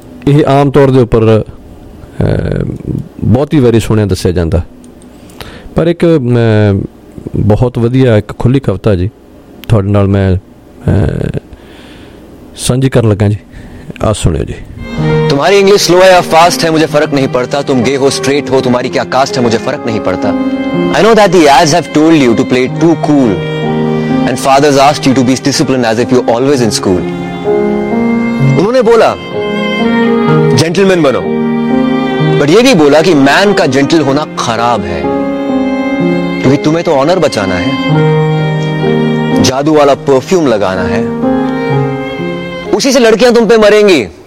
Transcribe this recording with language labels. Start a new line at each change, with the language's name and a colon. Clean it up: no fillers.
Punjabi: ਇਹ ਆਮ ਤੌਰ ਦੇ ਉੱਪਰ ਬਹੁਤ ਹੀ ਵਾਰੀ ਸੁਣਿਆ ਦੱਸਿਆ ਜਾਂਦਾ, ਪਰ ਇੱਕ ਬਹੁਤ ਵਧੀਆ ਇੱਕ ਖੁੱਲ੍ਹੀ ਕਵਿਤਾ ਜੀ ਤੁਹਾਡੇ ਨਾਲ ਮੈਂ ਸਾਂਝੀ ਕਰਨ ਲੱਗਾ ਜੀ, ਆਹ ਸੁਣਿਓ ਜੀ।
Hindi: तुम्हारी इंग्लिश स्लो है या फास्ट है मुझे फर्क नहीं पड़ता, तुम गे हो स्ट्रेट हो, तुम्हारी क्या कास्ट है मुझे फर्क नहीं पड़ता।
English: I know that the ads have told you to play too cool and fathers asked you to be disciplined as if you're always in school।
Hindi: उन्होंने बोला जेंटलमैन बनो, बट ये भी बोला कि मैन का जेंटल होना खराब है क्योंकि तुम्हें तो ऑनर बचाना है, जादू वाला परफ्यूम लगाना है, उसी से लड़कियां तुम पे मरेंगी।